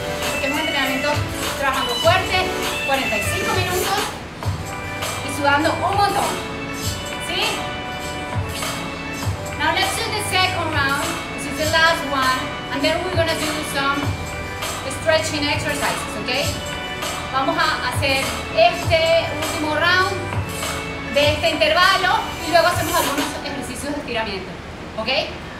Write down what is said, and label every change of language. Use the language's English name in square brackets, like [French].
[Spanish] Porque es un entrenamiento trabajando fuerte, 45 minutos y sudando un montón, ¿sí? [English] Now let's do the second round, this is the last one, and then we're gonna do some stretching exercises, okay? [Spanish] Vamos a hacer este último round de este intervalo y luego hacemos algunos ejercicios de estiramiento, okay?